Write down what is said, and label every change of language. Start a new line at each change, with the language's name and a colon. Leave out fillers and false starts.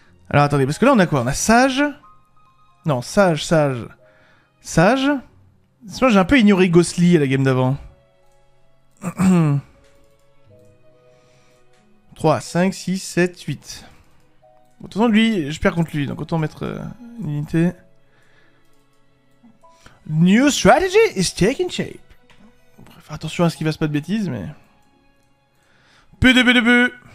French: Alors attendez, parce que là on a quoi? On a Sage? Non, Sage. Sage? Moi j'ai un peu ignoré Ghostly à la game d'avant. 3, 5, 6, 7, 8... Autant lui, je perds contre lui, donc autant mettre une unité.
English: New strategy is taking shape.
French: On pourrait faire attention à ce qu'il fasse pas de bêtises, mais... PDBDB.